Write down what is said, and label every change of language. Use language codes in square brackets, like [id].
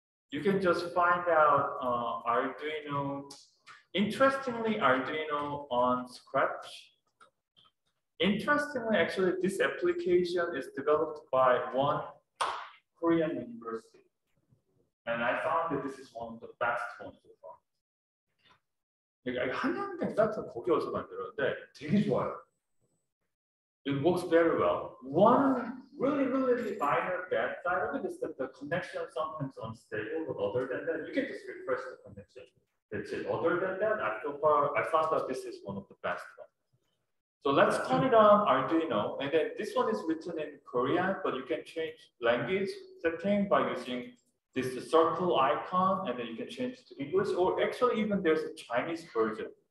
[en] You can just find out Arduino. Interestingly, Arduino on Scratch. Interestingly, actually, this application is developed by one Korean university. And I found that this is one of the best ones so far. [ko] 한양대 스타트업 거기에서 만들었는데 되게 좋아요. [en] It works very well. One really, really minor bad side of it is that the connection is sometimes unstable, but other than that, you can just refresh the connection. That's it. Other than that, so far, I found that this is one of the best ones. So let's turn it on Arduino. And then this one is written in Korean, but you can change language setting by using this circle icon, and then you can change it to English, or actually even there's a Chinese version.